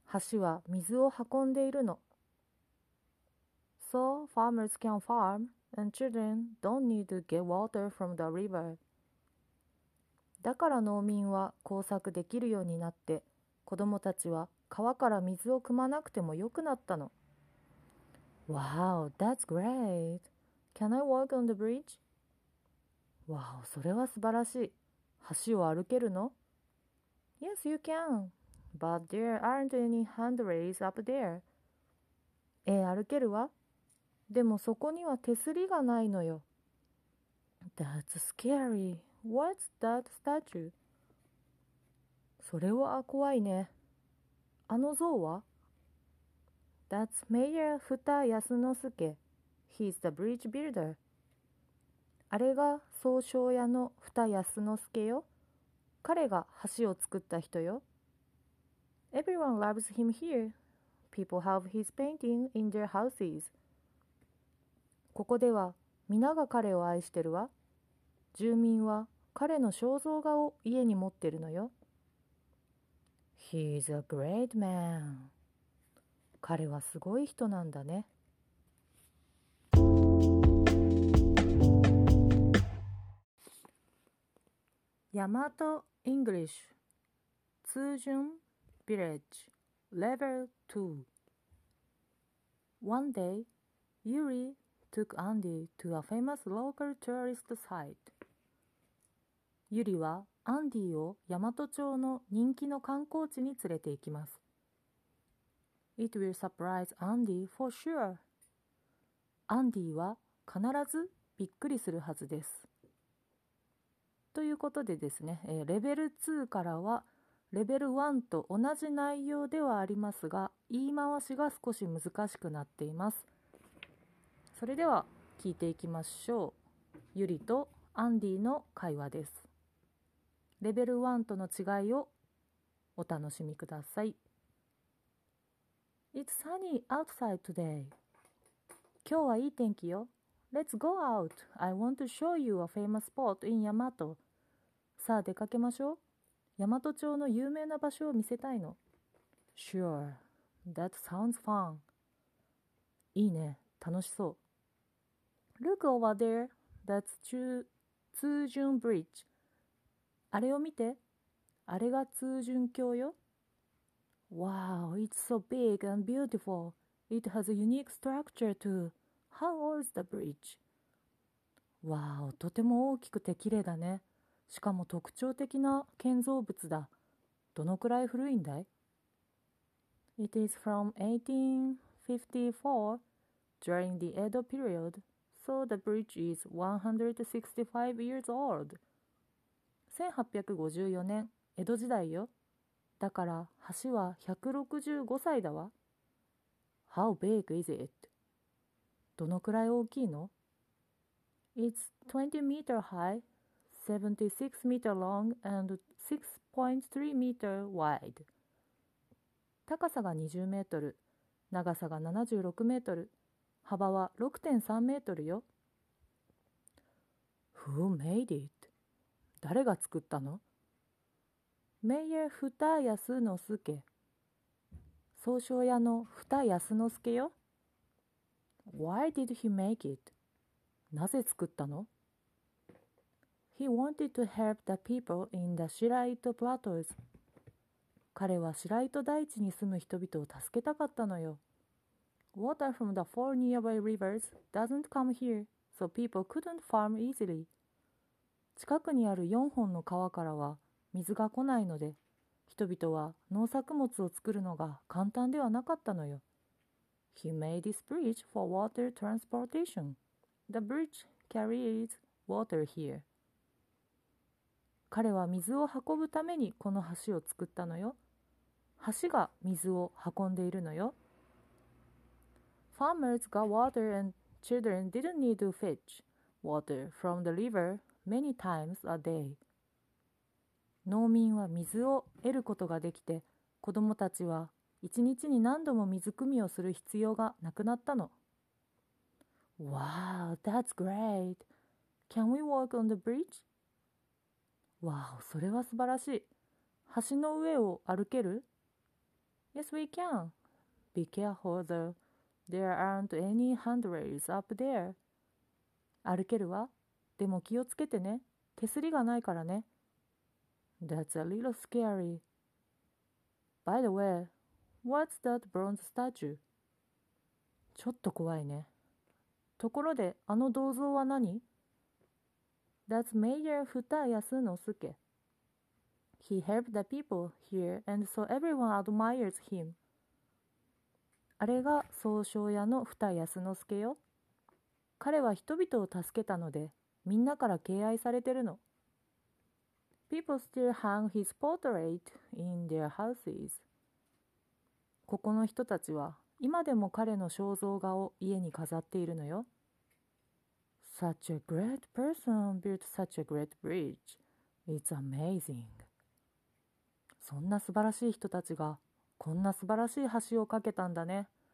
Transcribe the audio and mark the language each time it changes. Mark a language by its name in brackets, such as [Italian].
[Japanese] 橋は水を運んでいるの。 [English] So farmers can farm. And children don't need to get water from the river. [Japanese] だから農民は耕作できるようになって、子供たちは川から水を汲まなくても良くなったの。 [English] Wow, that's great. Can I walk on the bridge? [Japanese] Wow, それは素晴らしい。橋を歩けるの？ [English] Yes, you can. But there aren't any handrails up there. [Japanese] 歩けるわ。でもそこには手すりがないのよ。 [English] That's scary. What's that statue? [Japanese] それは怖いね。あの像は？ [English] That's Mayor Futa Yasunosuke. He's the bridge builder. [Japanese] あれが宗匠屋の Futa Yasunosuke よ。彼が橋を作った人よ。 [English] Everyone loves him here. People have his painting in their houses. [Japanese] ここでは皆が彼を愛してるわ。住民は彼の肖像画を家に持ってるのよ。 [English] He's a great man. [Japanese] 彼はすごい人なんだね。 [English] ヤマト・イングリッシュ通潤ビレッジ Level 2 One day, YuriTook Andy to a famous local tourist site. [Japanese] ユリはアンディを大和町の人気の観光地に連れて行きます。 [English] It will surprise Andy for sure. [Japanese] アンディは必ずびっくりするはずです。ということでですね、レベル2からはレベル1と同じ内容ではありますが、言い回しが少し難しくなっています。それでは聞いていきましょう。ユリとアンディの会話です。レベル1との違いをお楽しみください。 [English] It's sunny outside today. [Japanese] 今日はいい天気よ。 [English] Let's go out. I want to show you a famous spot in Yamato. [Japanese] さあ出かけましょう。ヤマト町の有名な場所を見せたいの。 [English] Sure. That sounds fun. [Japanese] いいね。楽しそう。 [English] Look over there. That's Tsujun Bridge. [Japanese] あれを見て。あれが通潤橋よ。 [English] Wow, it's so big and beautiful. It has a unique structure too. How old is the bridge? [Japanese] Wow, とても大きくて綺麗だね。しかも特徴的な建造物だ。どのくらい古いんだい? [English] It is from 1854 during the Edo period, so the bridge is 165 years old. [Japanese] 1854年。江戸時代よ。だから橋は165歳だわ。 [English] How big is it? [Japanese] どのくらい大きいの? [English] It's 20 meter high, 76 meter long and 6.3 meter wide. [Japanese] 高さが20メートル、長さが76メートル、幅は 6.3 メートルよ。 [English] Who made it? [Japanese] 誰が作ったの? メイヤー・フタ・ヤスノスケ。宗匠屋のフタ・ヤスノスケよ。 [English] Why did he make it? [Japanese] なぜ作ったの? [English] He wanted to help the people in the Shiraito Plateaus. [Japanese] 彼は Shiraito 大地に住む人々を助けたかったのよ。 [English] Water from the four nearby rivers doesn't come here, so people couldn't farm easily. [Japanese] 近くにある4本の川からは水が来ないので、人々は農作物を作るのが簡単ではなかったのよ。 [English] He made this bridge for water transportation. The bridge carries water here. [Japanese] 彼は水を運ぶためにこの橋を作ったのよ。橋が水を運んでいるのよ。 [English] Farmers got water and children didn't need to fetch water from the river many times a day. [Japanese] 農民は水を得ることができて、子供たちは一日に何度も水汲みをする必要がなくなったの。 [English] Wow, that's great. Can we walk on the bridge? [Japanese] Wow, それは素晴らしい。橋の上を歩ける? [English] Yes, we can. Be careful though. There aren't any handrails up there. [Japanese] 歩けるわ。でも気をつけてね。手すりがないからね。 [English] That's a little scary. By the way, what's that bronze statue? [Japanese] ちょっと怖いね。ところで、あの銅像は何? [English] That's Mayor Futa Yasunosuke. He helped the people here and so everyone admires him. [Japanese] あれが宗匠屋の Futa Yasunosuke よ。彼は人々を助けたので、みんなから敬愛されてるの。 [English] People still hang his portrait in their houses. [Japanese] ここの人たちは今でも彼の肖像画を家に飾っているのよ。 [English] Such a great person built such a great bridge. It's amazing. [Japanese] そんな素晴らしい人たちがこんな素晴らしい橋を架けたんだね。